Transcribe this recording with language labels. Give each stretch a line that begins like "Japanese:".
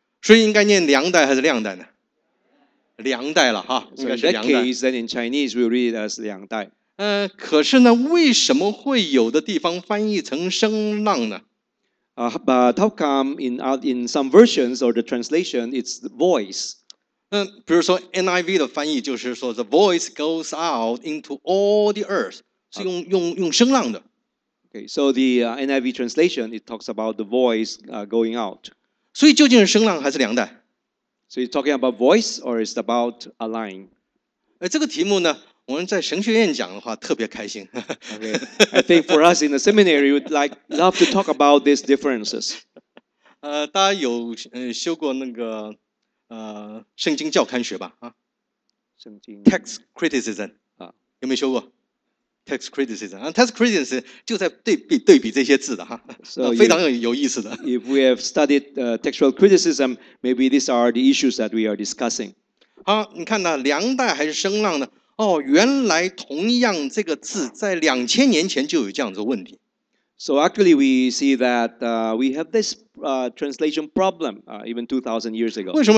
Chinese: 所以应该念量带还是量带呢？量带了哈。
English: So in that case, then in Chinese, we'll read it as 量带。
Chinese: 可是呢, 为什么会有的地方翻译成声浪呢？
English: But how come in some versions or the translation, it's the voice?
Chinese: 比如说 NIV的翻译就是说
English: the voice goes out into all the earth,
Chinese: 是用声浪的。
English: Okay, so the NIV translation, it talks about the voice going out.
Chinese: 所以究竟是声浪还是量带？
English: So you're talking about voice or is it about a line?
Chinese: 这个题目呢, 我们在神学院讲的话特别开心。
English: Okay. I think for us in the seminary, we'd like love to talk about these differences.
Chinese: 大家有修过那个 圣经教刊学吧? 圣经...
English: Text criticism.
Chinese: 有没有修过?
English: Text criticism.
Chinese: Text criticism 就在对比这些字的，非常有意思的。
English: If we have studied textual criticism, maybe these are the issues that we are discussing.
Chinese: 好，你看呢，量带还是声浪呢？哦，原来同样这个字在2000年前就有这样子的问题。
English: So actually, we see that we have this translation problem even 2,000 years ago.